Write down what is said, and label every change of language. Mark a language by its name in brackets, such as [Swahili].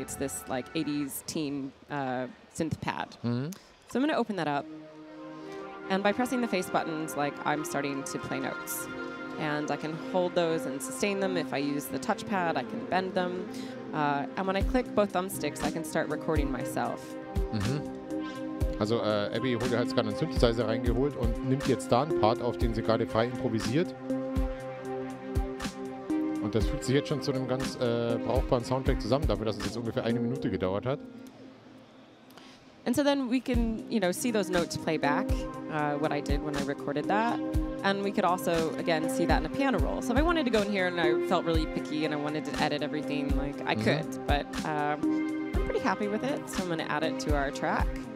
[English] It's this like 80s teen synth pad. Mm-hmm. So I'm going to open that up. And by pressing the face buttons, like I'm starting to play notes. And I can hold those and sustain them. If I use the touchpad, I can bend them. And when I click both thumbsticks, I can start recording myself. Mhm. [German] Also Abbie hat gerade einen Synthesizer reingeholt und nimmt jetzt da einen Part auf, den sie gerade frei improvisiert. Und das fühlt sich jetzt schon zu einem ganz brauchbaren Soundtrack zusammen, dafür, dass es jetzt ungefähr eine Minute gedauert hat. [English] And so then we can, you know, see those notes play back, what I did when I recorded that. And we could also, again, see that in a piano roll. So if I wanted to go in here and I felt really picky and I wanted to edit everything, like, I mm-hmm. could. But I'm pretty happy with it, so I'm going to add it to our track.